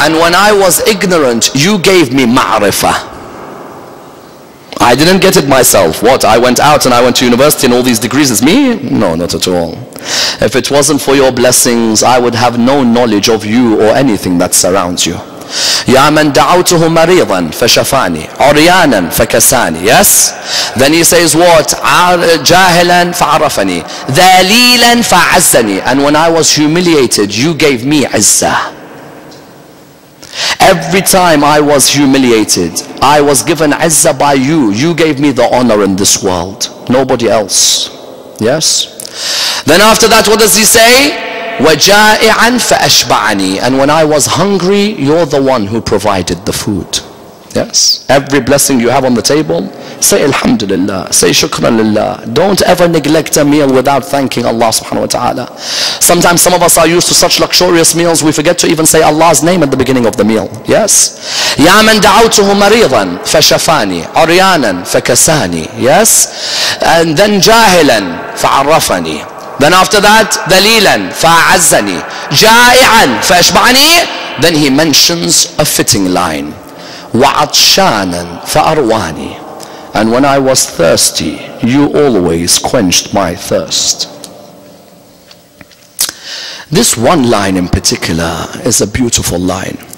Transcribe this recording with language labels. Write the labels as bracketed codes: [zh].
[en] And when I was ignorant, you gave me ma'rifah. I didn't get it myself. What? I went out and I went to university and all these degrees. Is me? No, not at all. If it wasn't for your blessings, I would have no knowledge of you or anything that surrounds you. [ar] يا من دعوته مريضا فشفاني عريانا فكساني. [en] Yes. Then he says what? [ar] جاهلا فعرفني ذليلا فعزني. [en] And when I was humiliated, you gave me عزه. Every time I was humiliated, I was given عزه by you. You gave me the honor in this world. Nobody else. Yes. Then after that, what does he say? [ar] وَجَائِعًا فَأَشْبَعَنِي. [en] And when I was hungry, you're the one who provided the food. Yes. Every blessing you have on the table, say Alhamdulillah, say Shukran Lillah. Don't ever neglect a meal without thanking Allah subhanahu wa ta'ala. Sometimes some of us are used to such luxurious meals, we forget to even say Allah's name at the beginning of the meal. Yes. [ar] يَا مَنْ دَعَوْتُهُ مَرِيضًا فَشَفَانِي عُرْيَانًا فَكَسَانِي. [en] Yes. And then [ar] جَاهِلًا فَعَرَّفَنِي. [en] Then after that, [ar] ذَلِيلًا فَعَزَّنِي جَائِعًا فَأَشْبَعَنِي. [en] Then he mentions a fitting line. [ar] وَعَطْشَانًا فَأَرْوَانِي. [en] And when I was thirsty, you always quenched my thirst. This one line in particular is a beautiful line.